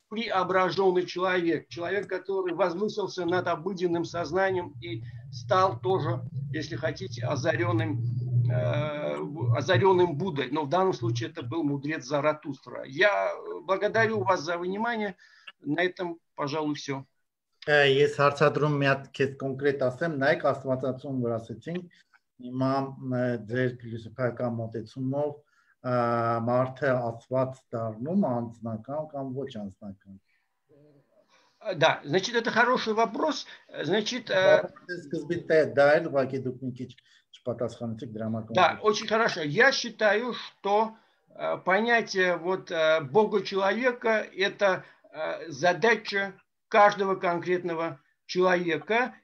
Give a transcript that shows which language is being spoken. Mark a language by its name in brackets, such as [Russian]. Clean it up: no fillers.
[Russian] преображенный человек, человек, который возвысился над обыденным сознанием и стал тоже, если хотите, озаренным Буддой. Но в данном случае это был мудрец Заратустра. Я благодарю вас за внимание. На этом, пожалуй, все. [Armenian] Ես հարցադրում մի հատ քեզ կոնկրետ ասեմ, նայեք աստվածածում որ ասեցինք, հիմա ձեր փիլիսոփայական մոտեցումով մարդը աստված դառնում անձնական կամ ոչ անձնական։ [Russian] Да, значит, это хороший вопрос. Значит, да, очень хорошо. Я считаю, что понятие вот Бога человека – это задача каждого конкретного человека.